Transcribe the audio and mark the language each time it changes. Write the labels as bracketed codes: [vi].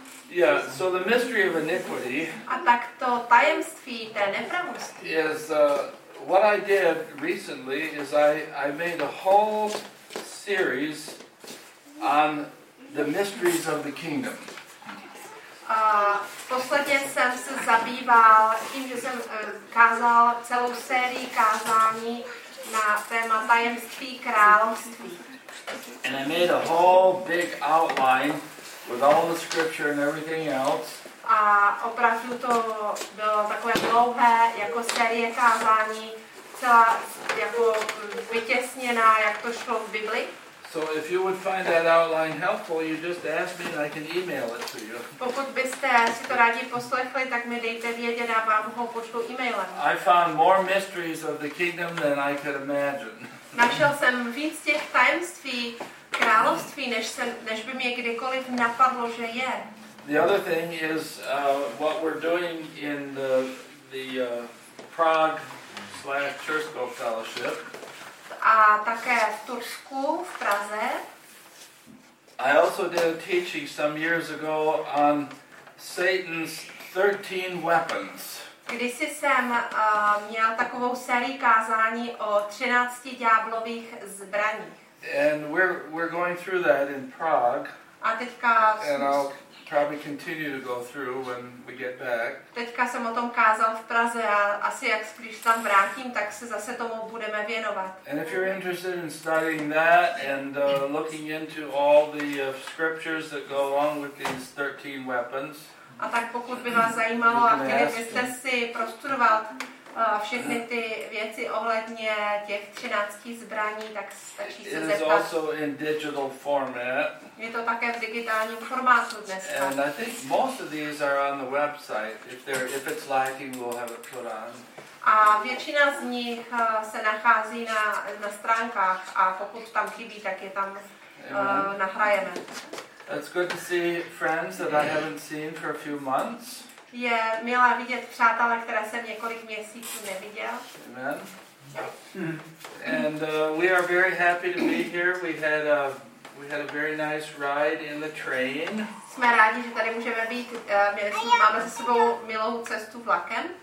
[en] Yeah, so the mystery of iniquity. [cs] A tak to tajemství té nepravosti. [en] Is what I did recently is I made a whole series on the mysteries of the kingdom. [cs] Posledně jsem se zabýval tím, že jsem kázal celou sérii kázání na téma tajemství království. [en] And I made a whole big outline with all the scripture and everything else. [cs] A opravdu to bylo takové dlouhé jako série kázání, celá jako vytěsněná, jak to šlo v Bibli. [en] So if you would find that outline helpful, you just ask me and I can email it to you. [cs] Pokud byste si to rádi poslechli, tak mi dejte vědět a vám ho pošlu e-mailem. [en] I found more mysteries of the kingdom than I could imagine. [cs] Našel jsem víc těch tajemství království, než by mě kdykoliv napadlo, že je. [en] The other thing is what we're doing in the Prague/Chersko fellowship. [cs] A také v Tursku, v Praze. [en] I also did a teaching some years ago on Satan's 13 weapons. [cs] Kdysi jsem měl takovou sérii kázání o 13 ďáblových zbraních. [en] And we're going through that in Prague. [cs] A teďka [en] and I'll probably continue to go through when we get back. [cs] Teďka jsem o tom kázal v Praze a asi jak když tam vrátím, tak se zase tomu budeme věnovat. [en] And if you're interested in studying that and looking into all the scriptures that go along with these 13 weapons. [cs] A tak pokud by vás zajímalo a chtěli byste si prostudovat všechny ty věci ohledně těch 13 zbraní, tak stačí se zeptat. [en] Also in digital format. [cs] Je to také v digitálním formátu dneska. [en] And I think most of these are on the website. If it's lacking, we'll have it put on. [cs] A většina z nich se nachází na stránkách a pokud tam chybí, tak je tam nahrajeme. [en] It's good to see friends that I haven't seen for a few months. [cs] Je milé vidět přátelé, které jsem několik měsíců neviděl. [en] Amen. And we are very happy to be here. We had a very nice ride in the train. [cs] Jsme rádi, že tady můžeme být. Máme se sebou milou cestu vlakem.